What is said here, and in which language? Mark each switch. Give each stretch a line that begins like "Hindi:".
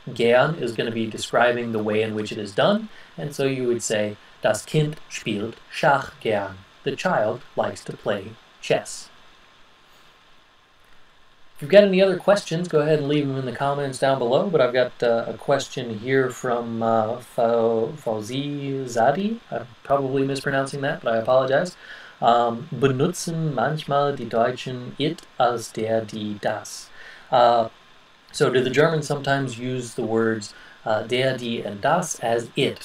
English: Gern is going to be describing the way in which it is done, and so you would say
German: das Kind spielt Schach gern.
English: The child likes to play chess. If you've got any other questions, go ahead and leave them in the comments down below. But I've got a question here from Fauzi Zadi. I'm probably mispronouncing that, but I apologize.
German: Benutzen manchmal die Deutschen it als der, die, das?
English: So do the Germans sometimes use the words der, die, and das as it?